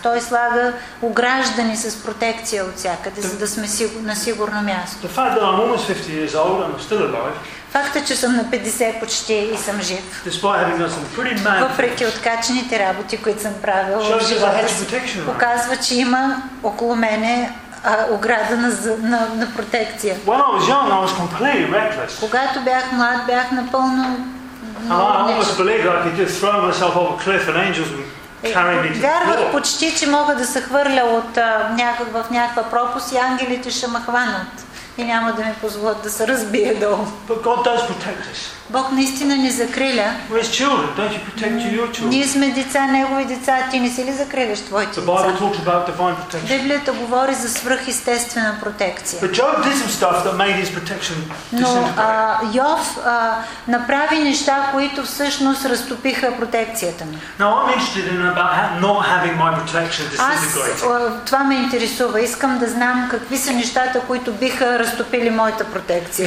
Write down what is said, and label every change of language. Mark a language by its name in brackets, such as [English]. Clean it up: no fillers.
[Bulgarian] Той слага ограждани с протекция от всякъде, за да сме на сигурно място. [English] The fact that I'm almost 50 years old and I'm still alive. [Bulgarian] Факта, че съм на 50 почти и съм жив. [English] Despite having done some pretty mad. [Bulgarian] Въпреки откачените работи, които съм правил, показва, че има около мене ограда на протекция. [English] When I was young, I was completely reckless. [Bulgarian] Когато бях млад, бях напълно. [English] I almost believed I could just throw myself off a cliff and angels would. [Bulgarian] Вярвах почти, че мога да се хвърля в някаква пропуст и ангелите ще ме хванат и няма да ми позволят да се разбия долу. [English] But God does protect us. [Bulgarian] Бог наистина ни закриля. [English] Where's children? Don't you protect your children? [Bulgarian] Ние сме деца, негови деца, ти не си ли закриляш твоите деца? [English] The Bible talks about divine protection. [Bulgarian] Библията говори за свръхестествена протекция. [English] But Job did some stuff that made his protection disintegrate. [Bulgarian] Но Йов направи неща, които всъщност разтопиха протекцията ми. [English] Now I'm interested in about not having my protection disintegrate. [Bulgarian] Това ме интересува. Искам да знам какви са нещата, които биха разтопили моята протекция.